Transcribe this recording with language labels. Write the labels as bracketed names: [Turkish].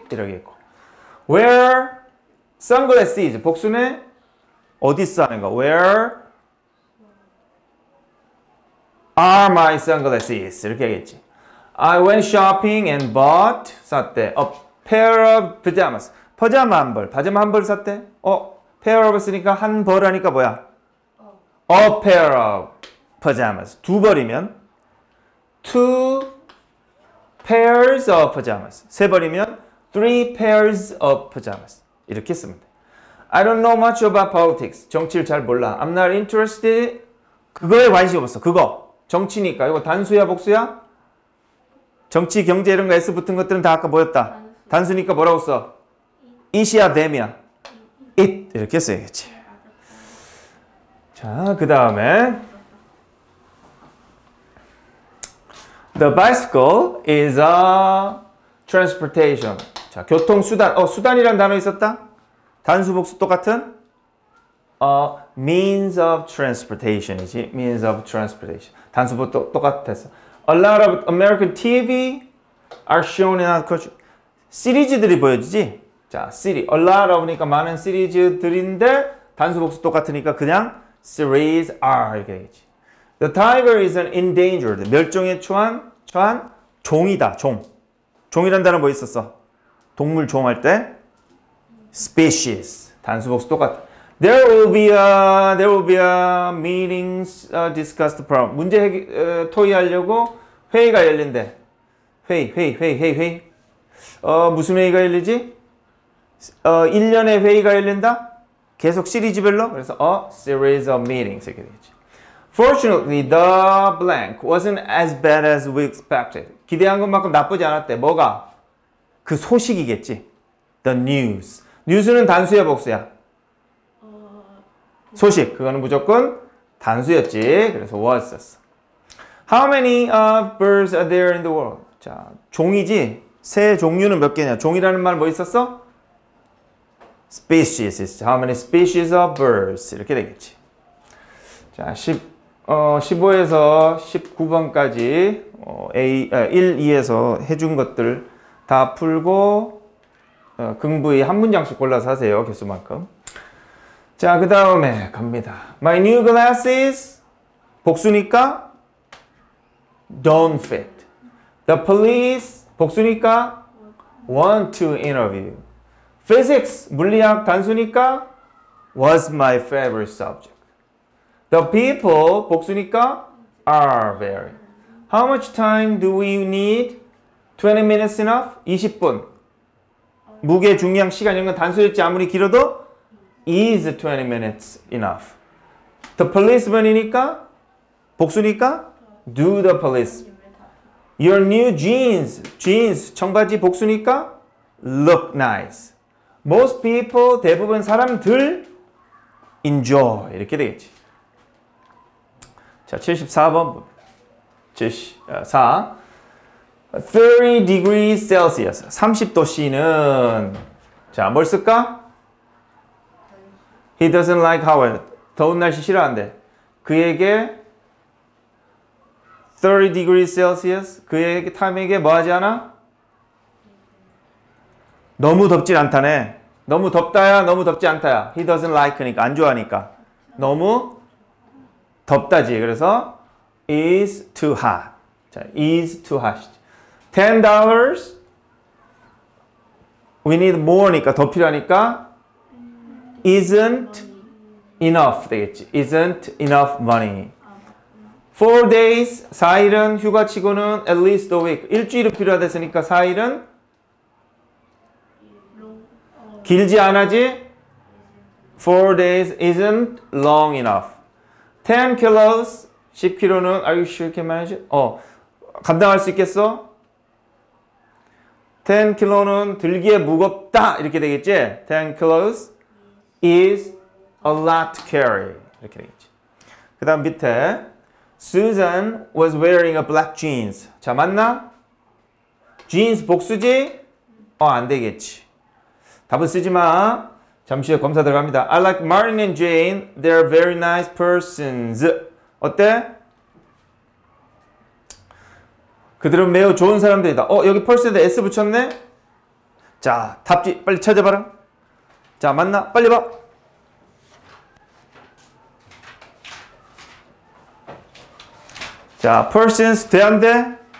[Korean] 이러겠고. [English] Where sunglasses? [Korean] 복수네? 어디서 하는 거? [English] Where are my sunglasses? [Korean] 이렇게 하겠지. [English] I went shopping and bought [Korean] 샀대. [English] A pair of pajamas. [Korean] 파자마 한 벌. 바자마 한 벌 샀대? [English] pair of [Korean] 쓰니까 한 벌 하니까 뭐야? [English] A pair of pajamas. [Korean] 두 벌이면? [English] Two pairs of pajamas. [Korean] 세 벌이면? [English] Three pairs of pajamas. [Korean] 이렇게 쓰면 돼. [English] I don't know much about politics. [Korean] 정치를 잘 몰라. [English] I'm not interested. [Korean] 그거에 관심 없어. 그거. 정치니까. 이거 단수야 복수야? 정치, 경제 이런 거 S 붙은 것들은 다 아까 뭐였다? 단수니까 뭐라고 써? It이야 them이야? It 이렇게 써야겠지. 자, 그 다음에 [English] The bicycle is a transportation. [Korean] 자, 교통수단. 수단이란 단어 있었다? 단수, 복수 똑같은? [English] A means of transportation이지. Means of transportation. [Korean] 단수, 복수 똑같았어. [English] A lot of American TV are shown in our country. [Korean] 시리즈들이 보여지지? 자, series. A lot of니까 많은 시리즈들인데 단수 복수 똑같으니까 그냥 series are 이렇게 되겠지. [English] The tiger is an endangered. [Korean] 멸종에 처한 종이다. 종. 종이란 단어 뭐 있었어? 동물 종 할 때 species. 단수 복수 똑같아. [English] There will be a meeting discussed problem. [Korean] 문제 토의하려고 회의가 열린대. 회의. 무슨 회의가 열리지? 1년에 회의가 열린다? 계속 시리즈별로? 그래서 [English] a series of meetings [Korean] 이렇게 되겠지. [English] Fortunately, the blank wasn't as bad as we expected. [Korean] 기대한 것만큼 나쁘지 않았대. 뭐가? 그 소식이겠지. [English] The news. [Korean] 뉴스는 단수야 복수야? 소식. 그거는 무조건 단수였지. 그래서 was. [English] How many birds are there in the world? [Korean] 자, 종이지. 새 종류는 몇 개냐? 종이라는 말 뭐 있었어? Species. [English] How many species of birds? [Korean] 이렇게 되겠지. 자, 15에서 19번까지 1, 2에서 해준 것들 다 풀고 긍부의 한 문장씩 골라서 하세요. 개수만큼. 자, 그 다음에 갑니다. [English] My new glasses. [Korean] 복수니까 [English] don't fit. The police. [Korean] 복수니까 [English] want to interview. Physics. [Korean] 물리학 단수니까 [English] was my favorite subject. The people, [Korean] 복수니까, [English] are very. How much time do we need? 20 minutes enough? [Korean] 20분. 무게, 중량, 시간 이런 건 단수였지. 아무리 길어도? [English] Is 20 minutes enough? The policeman이니까? [Korean] 복수니까? [English] Do the police. Your new jeans. [Korean] Jeans, 청바지, 복수니까? [English] Look nice. Most people, [Korean] 대부분 사람들, [English] enjoy. [Korean] 이렇게 되겠지. 자, 74번. [English] 74. 30 degrees Celsius. [Korean] 30도씨는 자, 뭘 쓸까? [English] He doesn't like how it. [Korean] 더운 날씨 싫어한대. 그에게 [English] 30 degrees Celsius. [Korean] 그에게 타임에게 뭐 하지 않아? 너무 덥진 않다네. 너무 덥다야, 너무 덥지 않다야. [English] He doesn't like니까 [Korean] 안 좋아하니까. 너무 덥다지. 그래서 [English] is too hot. 자, is too hot. $10. We need more니까 [Korean] 더 필요하니까 [English] isn't enough [Korean] 되겠지. [English] Isn't enough money. 4 days. [Korean] 4일은 휴가치고는 [English] at least a week. [Korean] 일주일은 필요하댔으니까 4일은 길지 않아지. [English] 4 days isn't long enough. 10 kilos, [Korean] 10kg는 [English] are you sure you can manage? [Korean] 감당할 수 있겠어? 10kg는 들기에 무겁다 이렇게 되겠지? [English] 10 kilos is a lot to carry [Korean] 이렇게 되겠지. 그 다음 밑에 [English] Susan was wearing a black jeans. [Korean] 자, 맞나? jeans 복수지? 안 되겠지. 답은 쓰지 마. 잠시 후에 검사 들어갑니다. [English] I like Martin and Jane. They are very nice persons. [Korean] 어때? 그들은 매우 좋은 사람들이다. 여기 person에 S 붙였네? 자, 답지. 빨리 찾아봐라. 자, 맞나? 빨리 봐. 자, persons 돼 안 돼?